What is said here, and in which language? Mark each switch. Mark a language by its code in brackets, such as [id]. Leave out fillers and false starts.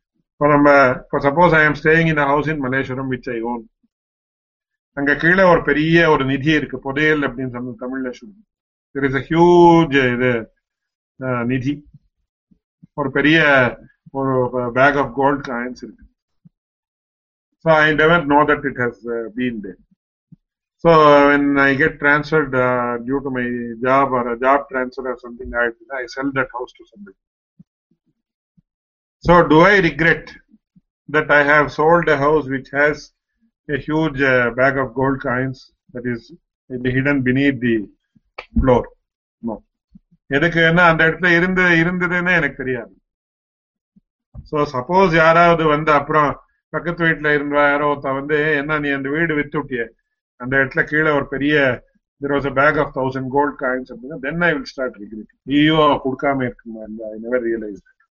[ta] இப்ப நம்ம இப்ப [en] suppose I am staying in house in Malleswaram which I own [ta] அங்க கீழே ஒரு பெரிய ஒரு நிதி இருக்கு புதையல் அப்படின்னு சொல்ல தமிழ்ல சொல்லுங்க [en] There is a huge nidhi, or a periya, or a bag of gold coins. So I never know that it has been there. So when I get transferred due to my job or a job transfer or something, I sell that house to somebody. So do I regret that I have sold a house which has a huge bag of gold coins that is hidden beneath the floor? No. [ta] எதுக்கு என்ன அந்த இடத்துல இருந்து இருந்ததுன்னு எனக்கு தெரியாது [en] so suppose [ta] யாராவது வந்து அப்புறம் பக்கத்து வீட்டுல இருந்தா யாரோ ஒருத்த வந்து என்ன நீ அந்த வீடு வித்து விட்டிய அந்த இடத்துல கீழே ஒரு பெரிய [en] there was a bag of 1000 gold coins [ta] அப்படின்னா [en] then I will start regret [ta] ஐயோ கொடுக்காம இருக்குமா இல்ல [en] I never realise